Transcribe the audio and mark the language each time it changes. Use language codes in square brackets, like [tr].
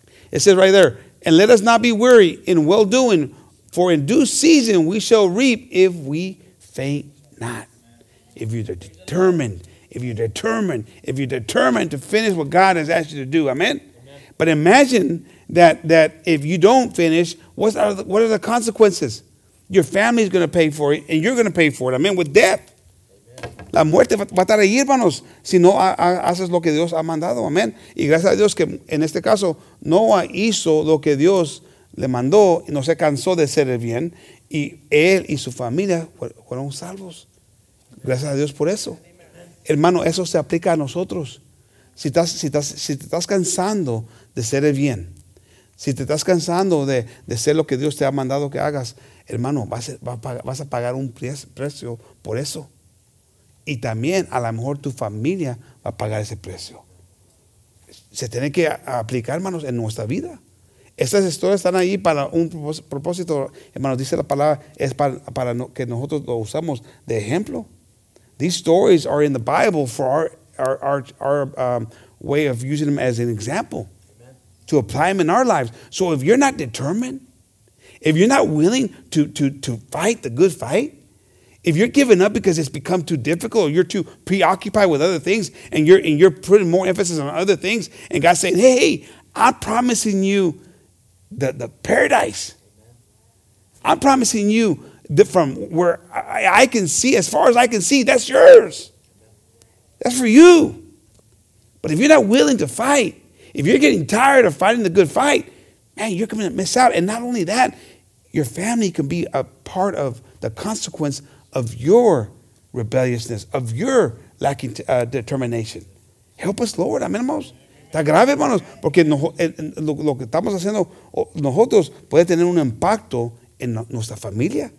[en] It says right there, and let us not be weary in well-doing, for in due season we shall reap if we faint not. If you're determined, if you're determined, if you're determined to finish what God has asked you to do. Amen? Amen. But imagine that if you don't finish, what are the consequences? Your family's going to pay for it, and you're going to pay for it. Amen? With death. [es] La muerte va a estar ahí, hermanos, si no haces lo que Dios ha mandado. Amén. Y gracias a Dios que en este caso Noah hizo lo que Dios le mandó y no se cansó de hacer el bien. Y él y su familia fueron salvos. Gracias a Dios por eso. Hermano, eso se aplica a nosotros. Si te estás cansando de hacer el bien, si te estás cansando de hacer lo que Dios te ha mandado que hagas, hermano, vas a pagar un precio por eso. Y también a lo mejor tu familia va a pagar ese precio. Se tiene que aplicar, hermanos, en nuestra vida. Estas historias están ahí para un propósito. Hermanos, dice la palabra, es para que nosotros lo usamos de ejemplo. [en] These stories are in the Bible for our way of using them as an example. Amen. To apply them in our lives. So if you're not determined, if you're not willing to fight the good fight, if you're giving up because it's become too difficult, or you're too preoccupied with other things, and you're putting more emphasis on other things, and God's saying, hey, I'm promising you the paradise. I'm promising you from where I can see, as far as I can see, that's yours. That's for you. But if you're not willing to fight, if you're getting tired of fighting the good fight, man, you're going to miss out. And not only that, your family can be a part of the consequence of your rebelliousness, of your lacking determination. Help us, Lord. [es] Amén, hermanos. Está grave, hermanos, porque lo que estamos haciendo nosotros puede tener un impacto en nuestra familia.